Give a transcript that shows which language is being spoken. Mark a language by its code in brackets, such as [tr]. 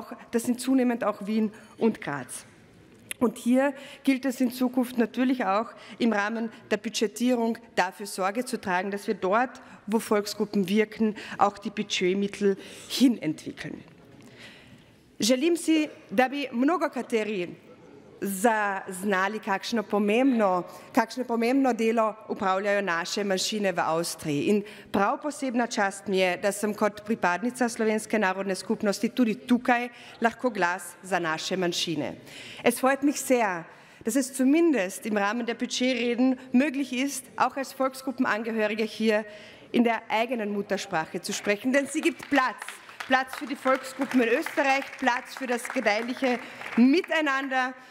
[de] Das sind zunehmend auch Wien und Graz. Und hier gilt es in Zukunft natürlich auch im Rahmen der Budgetierung dafür Sorge zu tragen, dass wir dort, wo Volksgruppen wirken, auch die Budgetmittel hin entwickeln. [sl] Želim si, da bi mnogokateri zaznali, kakšno pomembno delo upravljajo naše manjšine v Avstriji. In prav posebna čast mi je, da sem kot pripadnica slovenske narodne skupnosti tudi tukaj lahko glas za naše manjšine. [de] Es freut mich sehr, dass es zumindest im Rahmen der Budgetreden möglich ist, auch als Volksgruppenangehörige hier in der eigenen Muttersprache zu sprechen, denn sie gibt Platz. Platz für die Volksgruppen in Österreich, Platz für das gedeihliche Miteinander.